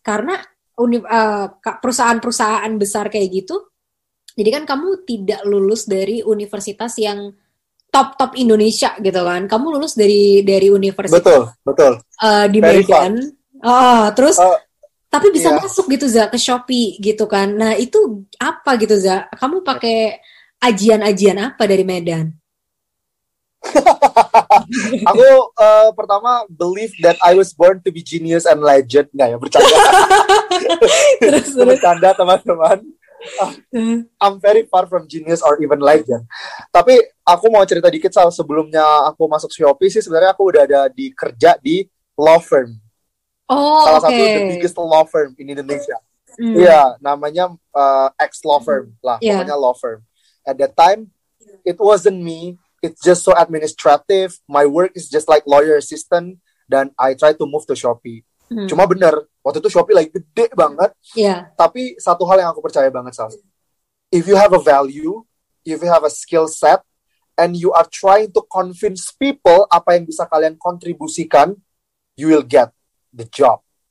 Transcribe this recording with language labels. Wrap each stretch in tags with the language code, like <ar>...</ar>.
<id>Karena perusahaan-perusahaan besar kayak gitu, jadi kan kamu tidak lulus dari universitas yang top-top Indonesia gitu kan. Kamu lulus dari universitas. Betul, betul. Di Medan. Terus tapi bisa masuk gitu Za ke Shopee gitu kan. Nah, itu apa gitu Za? Kamu pakai ajian-ajian apa dari Medan? Aku pertama</id> <en>believe that I was born to be genius and legend.</en> <id>Enggak ya, bercanda. Terus. Bercanda, teman-teman.</id> <en>I'm very far from genius or even legend.</en> <id>Tapi aku mau cerita dikit soal sebelumnya aku masuk Shopee sih, sebenarnya aku udah ada di kerja di law firm. Oh, salah</id> <en>okay.</en> <id>satu</id> <en>the biggest law firm in Indonesia.</en> <id>Iya, namanya ex law firm lah, pokoknya law firm.</id> <en>At that time, it wasn't me. It's just so administrative. My work is just like lawyer assistant.</en> <id>Dan</id> <en>I try to move to Shopee.</en> <id>Cuma bener, waktu itu Shopee lagi gede banget. Tapi satu hal yang aku percaya banget, Sal.</id> <en>If you have a value, if you have a skill set, and you are trying to convince people</en> <id>apa yang bisa kalian kontribusikan,</id> <en>you will get the job.</en>